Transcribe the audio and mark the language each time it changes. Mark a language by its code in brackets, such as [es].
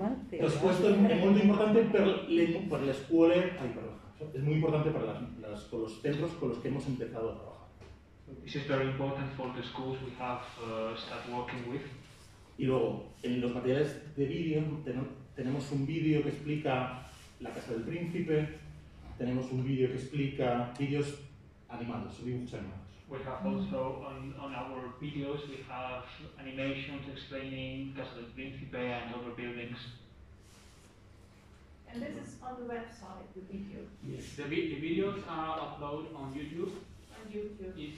[es] Entonces, puesto es muy importante para la escuela. Ay, es muy importante para los centros con los que hemos empezado a trabajar. [en] This is very important for the schools we have start working with. [es] Y luego, en los materiales de vídeo, tenemos un vídeo que explica la Casa del Príncipe, tenemos un vídeo que explica vídeos animados, dibujos animados. [en] We have also on our videos, we have animations explaining Casa del Príncipe and other buildings. And this is on the website, the video. Yes. The videos are uploaded on YouTube. YouTube. Is